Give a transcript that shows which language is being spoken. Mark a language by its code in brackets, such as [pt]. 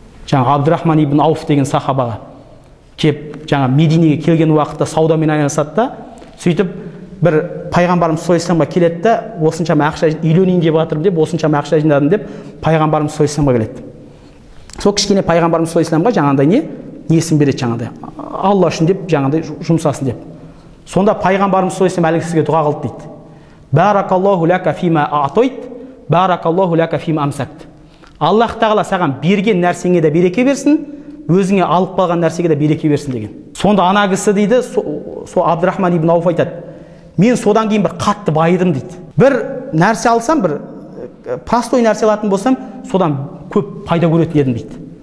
[kk] Жаңа Абдурахман ибн Ауф деген сахабаға кеп, жаңа Мединеге келген уақытта саудамен айналысады да, сөйтіп бір пайғамбарымыз саллаллаһу алейһи вассаламға келеді де, осыншама ақша үйленейін деп жатырмын деп, осыншама ақша жинадым деп пайғамбарымыз саллаллаһу алейһи вассаламға келеді. Сол кішкене пайғамбарымыз саллаллаһу алейһи вассаламға жаңағыдай несін береді жаңағыдай. Алла үшін деп жаңағыдай жұмсасын деп. Сонда пайғамбарымыз саллаллаһу алейһи вассалам әлгі сізге дұға қылды дейді. [ar] Баракаллаху ляка фима атойт, баракаллаху ляка фима амсакт. [kk] Аллах Тағала саған берген нәрсеңе де береке берсін, өзіңе алып қалған нәрсеге де береке берсін деген. Сонда ана кісі дейді, сол Абдурахман ибн Ауф айтады. Мен содан кейін бір қатты байыдым дейді. Бір нәрсе алсам, бір простой нәрсе алатын болсам, содан көп пайда көретін едім дейді.